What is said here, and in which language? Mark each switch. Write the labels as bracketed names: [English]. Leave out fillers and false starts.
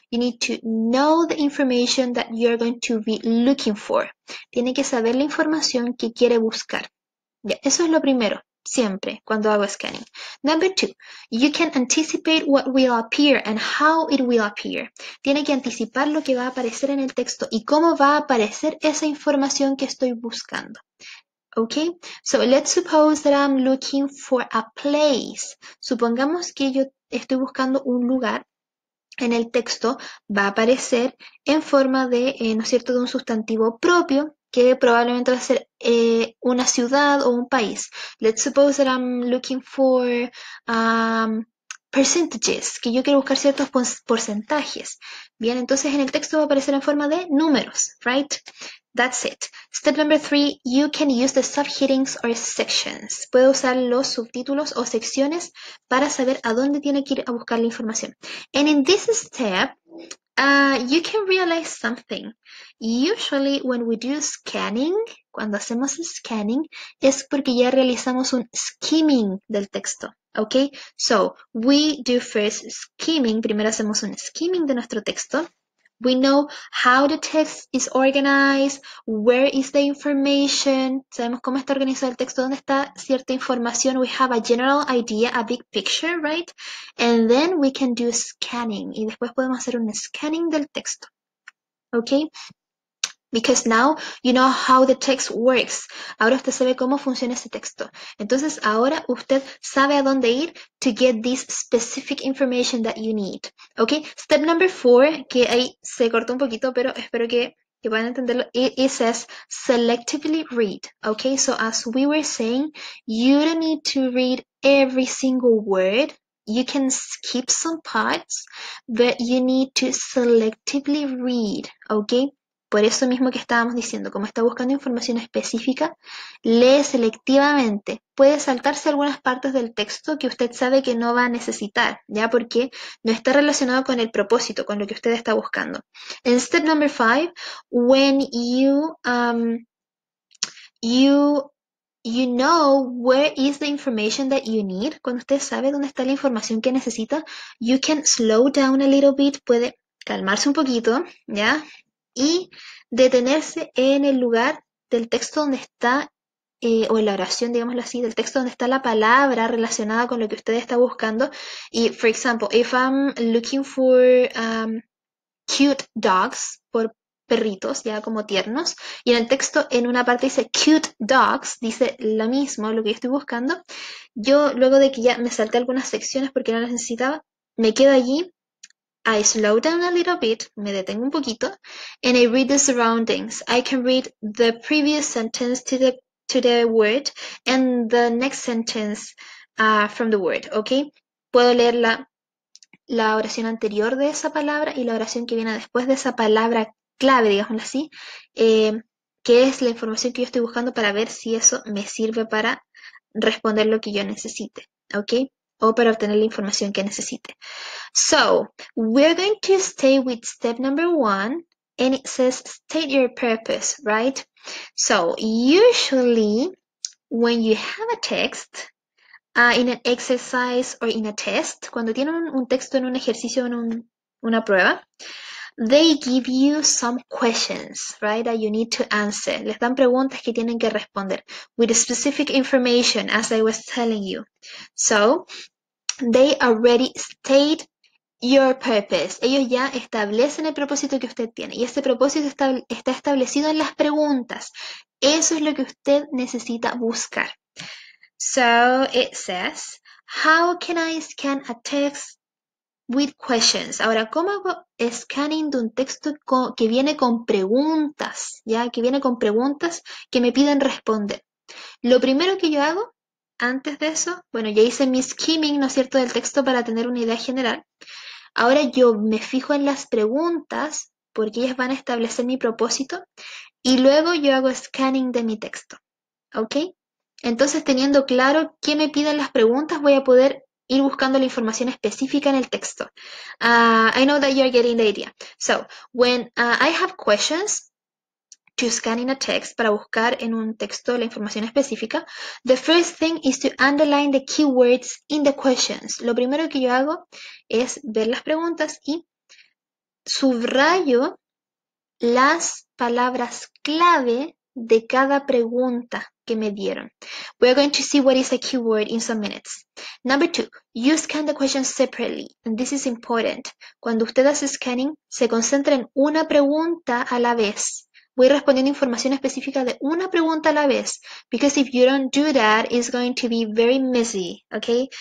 [English] You need to know the information that you're going to be looking for. [Spanish] Tiene que saber la información que quiere buscar. Ya, eso es lo primero. Siempre, cuando hago scanning. [English] Number two, you can anticipate what will appear and how it will appear. [Spanish] Tiene que anticipar lo que va a aparecer en el texto y cómo va a aparecer esa información que estoy buscando. [English] Okay, so let's suppose that I'm looking for a place. [Spanish] Supongamos que yo estoy buscando un lugar. En el texto va a aparecer en forma de, ¿no es cierto?, de un sustantivo propio, que probablemente va a ser una ciudad o un país. [English] Let's suppose that I'm looking for percentages, [Spanish] que yo quiero buscar ciertos porcentajes. Bien, entonces en el texto va a aparecer en forma de números, [English] right? That's it. Step number three, you can use the subheadings or sections. [Spanish] Puedo usar los subtítulos o secciones para saber a dónde tiene que ir a buscar la información. [English] And in this step, you can realize something. Usually, when we do scanning, [Spanish] cuando hacemos scanning, es porque ya realizamos un skimming del texto. Okay? [English] So, we do first skimming. [Spanish] Primero hacemos un skimming de nuestro texto. We know how the text is organized, where is the information. Sabemos cómo está organizado el texto, dónde está cierta información. [English] We have a general idea, a big picture, right? And then we can do scanning. [Spanish] Y después podemos hacer un scanning del texto. [English] Okay? Because now you know how the text works. [Spanish] Ahora usted sabe cómo funciona ese texto. Entonces ahora usted sabe a dónde ir [English] to get this specific information that you need. [Spanish] Okay? [English] Step number four, [Spanish] que ahí se cortó un poquito, pero espero que puedan entenderlo. [English] It says selectively read. Okay? So as we were saying, you don't need to read every single word. You can skip some parts, but you need to selectively read. Okay? [Spanish] Por eso mismo que estábamos diciendo, como está buscando información específica, lee selectivamente. Puede saltarse algunas partes del texto que usted sabe que no va a necesitar, ya porque no está relacionado con el propósito, con lo que usted está buscando. [English] En step number five, when you know where is the information that you need, [Spanish] cuando usted sabe dónde está la información que necesita, [English] you can slow down a little bit, [Spanish] puede calmarse un poquito, ¿ya? Y detenerse en el lugar del texto donde está, o en la oración, digámoslo así, del texto donde está la palabra relacionada con lo que usted está buscando. Y, [English] for example, if I'm looking for cute dogs, [Spanish] por perritos, ya como tiernos, y en el texto en una parte dice cute dogs, dice lo mismo, lo que yo estoy buscando. Yo, luego de que ya me salté algunas secciones porque no las necesitaba, me quedo allí. [English] I slow down a little bit, [Spanish] me detengo un poquito, [English] and I read the surroundings. I can read the previous sentence to the word and the next sentence from the word, okay? [Spanish] Puedo leer la oración anterior de esa palabra y la oración que viene después de esa palabra clave, digámoslo así, que es la información que yo estoy buscando para ver si eso me sirve para responder lo que yo necesite, okay? O para obtener la información que necesite. [English] So, we're going to stay with step number one, and it says state your purpose, right? So, usually, when you have a text, in an exercise or in a test, [Spanish] cuando tienen un texto en un ejercicio o en una prueba, [English] they give you some questions, right, that you need to answer. [Spanish] Les dan preguntas que tienen que responder, [English] with specific information, as I was telling you. So, they already state your purpose. [Spanish] Ellos ya establecen el propósito que usted tiene. Y ese propósito está establecido en las preguntas. Eso es lo que usted necesita buscar. [English] So it says, how can I scan a text with questions? [Spanish] Ahora, ¿cómo hago scanning de un texto que viene con preguntas? ¿Ya? Que viene con preguntas que me piden responder. Lo primero que yo hago. Antes de eso, bueno, ya hice mi skimming, ¿no es cierto?, del texto para tener una idea general. Ahora yo me fijo en las preguntas porque ellas van a establecer mi propósito y luego yo hago scanning de mi texto. ¿Ok? Entonces, teniendo claro qué me piden las preguntas, voy a poder ir buscando la información específica en el texto. [English] I know that you're getting the idea. So, when I have questions, to scan in a text, [Spanish] para buscar en un texto la información específica. [English] The first thing is to underline the keywords in the questions. [Spanish] Lo primero que yo hago es ver las preguntas y subrayo las palabras clave de cada pregunta que me dieron. [English] We're going to see what is a keyword in some minutes. Number two, you scan the questions separately. And this is important. [Spanish] Cuando usted hace scanning, se concentra en una pregunta a la vez. Voy respondiendo información específica de una pregunta a la vez. [English] Because if you don't do that, it's going to be very messy, okay?